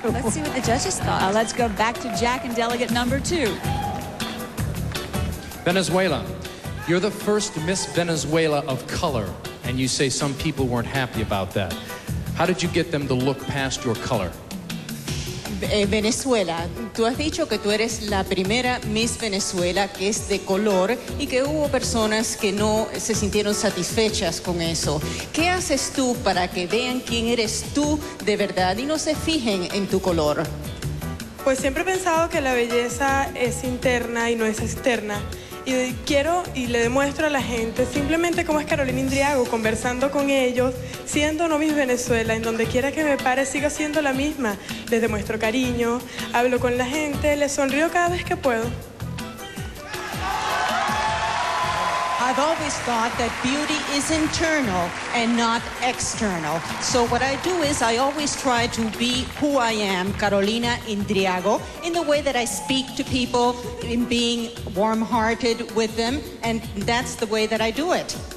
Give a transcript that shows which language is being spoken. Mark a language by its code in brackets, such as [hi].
[en] Let's see what the judges thought. Let's go back to Jack and delegate number two. Venezuela, you're the first Miss Venezuela of color, and you say some people weren't happy about that. How did you get them to look past your color? [es] Venezuela, tú has dicho que tú eres la primera Miss Venezuela que es de color y que hubo personas que no se sintieron satisfechas con eso. ¿Qué haces tú para que vean quién eres tú de verdad y no se fijen en tu color? Pues siempre he pensado que la belleza es interna y no es externa. Y quiero y le demuestro a la gente simplemente cómo es Carolina Indriago, conversando con ellos, siendo no Miss Venezuela, en donde quiera que me pare, sigo siendo la misma. Les demuestro cariño, hablo con la gente, les sonrío cada vez que puedo. [en] I've always thought that beauty is internal and not external. So what I do is I always try to be who I am, Carolina Indriago, in the way that I speak to people, in being warm-hearted with them, and that's the way that I do it.